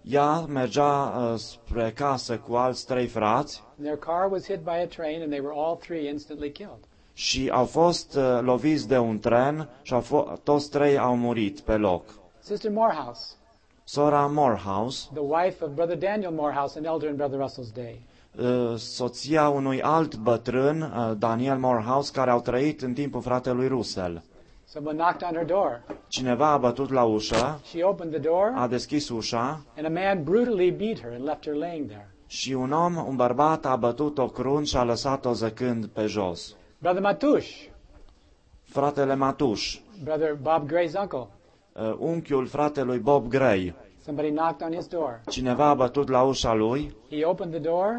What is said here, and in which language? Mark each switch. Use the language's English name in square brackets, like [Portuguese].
[Romanian] Ea mergea spre casă cu alți trei frați. [English] Their car was hit by a train and they were all three instantly killed. [Romanian] Și au fost loviți de un tren și toți trei au murit pe loc. [English] Sister Morehouse. [Romanian] Sora Morehouse. [English] The wife of Brother Daniel Morehouse, an elder in Brother Russell's day. [Romanian] Soția unui alt bătrân, Daniel Morehouse, care au trăit în timpul fratelui Russell. [English] Someone knocked on her door. [Romanian] Cineva a bătut la ușă. [English] She opened the door. [Romanian] A deschis ușa. [English] And a man brutally beat her and left her laying there. [Romanian] Și un om, un bărbat, a bătut-o crunt și a lăsat-o zăcând pe jos. [English] Brother Matush. [Romanian] Fratele Matush. [English] Brother Bob Gray's uncle. [Romanian] Unchiul fratelui Bob Gray. [English] Somebody knocked on his door. [Romanian] Cineva a bătut la ușa lui. [English] He opened the door.